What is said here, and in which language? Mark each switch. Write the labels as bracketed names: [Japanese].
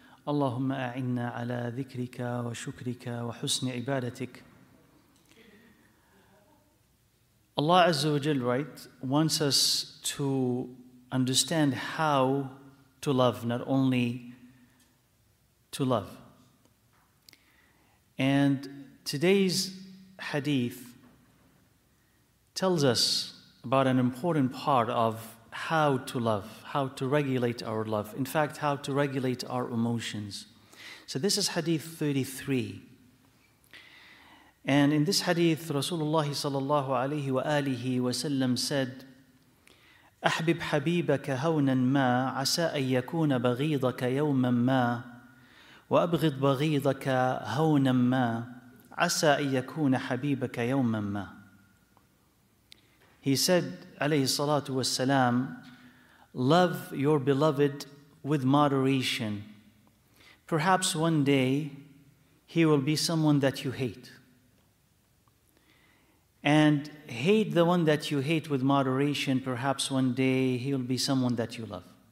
[Arabic] اللهم أعنا على ذكرك وشكرك وحسن عبادتك. [English] Allah Azza wa Jal, right, wants us to understand how to love, not only to love. And today's hadith tells us about an important part of how to love, how to regulate our love, in fact, how to regulate our emotions. So this is hadith 33. And in this hadith, Rasulullah sallallahu alayhi wa alihi wa sallam said, [Arabic] أحبب حبيبك هونا ما عسى أن يكون بغيضك يوما ما وأبغض بغيضك هونا ما عسى أن يكون حبيبك يوما ما. [English] He said, [Arabic] عليه الصلاة والسلام, [English] love your beloved with moderation. Perhaps one day he will be someone that you hate. And hate the one that you hate with moderation, perhaps one day he'll be someone that you love.